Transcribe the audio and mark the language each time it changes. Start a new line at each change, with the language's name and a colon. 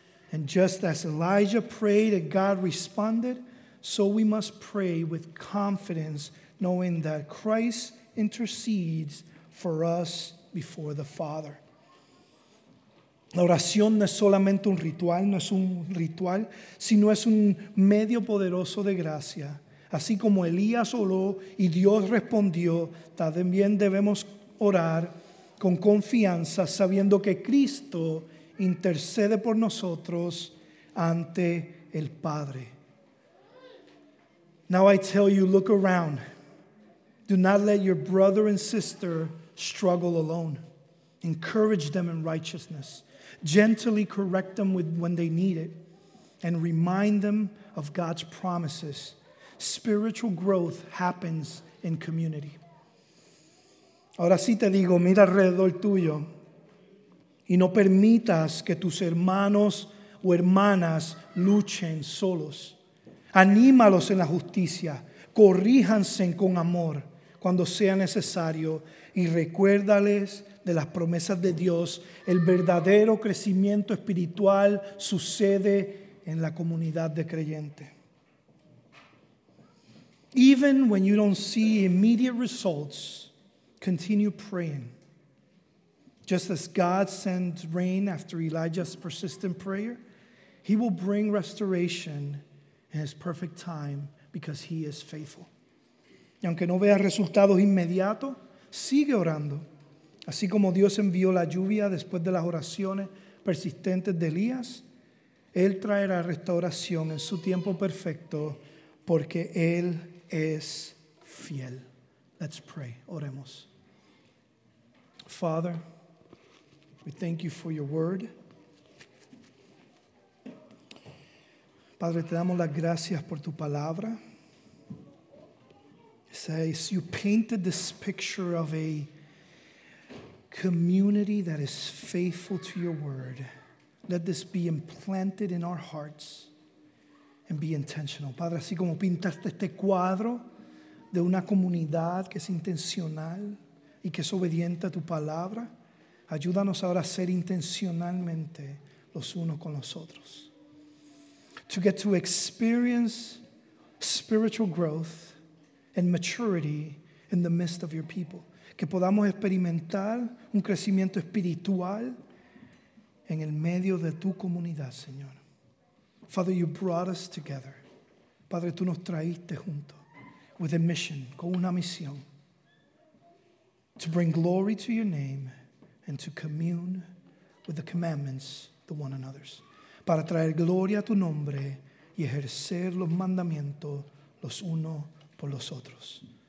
English: And just as Elijah prayed and God responded, so we must pray with confidence, knowing that Christ intercedes for us before the Father.
Spanish: La oración no es solamente un ritual, no es un ritual, sino es un medio poderoso de gracia. Así como Elías oró y Dios respondió, también debemos orar con confianza, sabiendo que Cristo intercede por nosotros ante el Padre.
English: Now I tell you, look around. Do not let your brother and sister struggle alone. Encourage them in righteousness. Gently correct them when they need it, and remind them of God's promises. Spiritual growth happens in community.
Spanish: Ahora sí te digo, mira alrededor tuyo y no permitas que tus hermanos o hermanas luchen solos. Anímalos en la justicia. Corríjanse con amor cuando sea necesario y recuérdales de las promesas de Dios. El verdadero crecimiento espiritual sucede en la comunidad de creyentes.
English: Even when you don't see immediate results, continue praying. Just as God sends rain after Elijah's persistent prayer, he will bring restoration in his perfect time because he is faithful.
Spanish: Y aunque no veas resultados inmediatos, sigue orando. Así como Dios envió la lluvia después de las oraciones persistentes de Elías, él traerá restauración en su tiempo perfecto porque él es fiel.
English: Let's pray.
Spanish: Oremos.
English: Father, we thank you for your word.
Spanish: Padre, te damos las gracias por tu palabra.
English: It says you painted this picture of a community that is faithful to your word. Let this be implanted in our hearts and be intentional.
Spanish: Padre, así como pintaste este cuadro de una comunidad que es intencional y que es obediente a tu palabra, ayúdanos ahora a ser intencionalmente los unos con los otros.
English: To get to experience spiritual growth and maturity in the midst of your people.
Spanish: Que podamos experimentar un crecimiento espiritual en el medio de tu comunidad, Señor.
English: Father, you brought us together.
Spanish: Padre, tú nos traíste juntos.
English: With a mission,
Spanish: con una misión.
English: To bring glory to your name and to commune with the commandments to one another's.
Spanish: Para traer gloria a tu nombre y ejercer los mandamientos los unos por los otros.